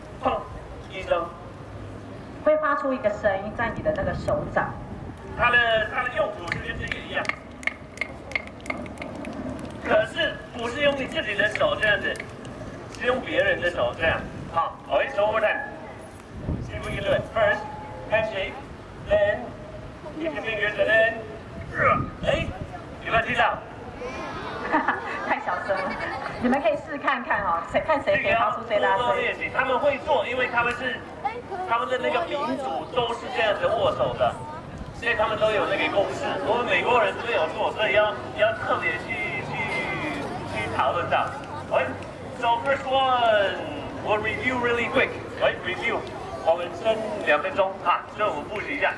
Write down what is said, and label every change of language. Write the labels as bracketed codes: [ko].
[zh] 砰一声，会发出一个声音在你的那个手掌。他的用途就跟这个一样，可是不是用你自己的手这样子，是用别人的手这样。好 [en] ，OK， so over time， see if we can do it. First handshake, then keep your fingers and then. [zh] 哎，有没有听到？太小声了，你们可以试看看哦，看谁可以发出最大声。多多练习，他们会做，因为他们的那个民族都是这样子握手的，所以他们都有那个共识。我们美国人都没有做，所以要特别去讨论到。 [en] Right, so first one, we'll review really quick. Right, review. [zh] 我们剩两分钟哈，所以我们复习一下。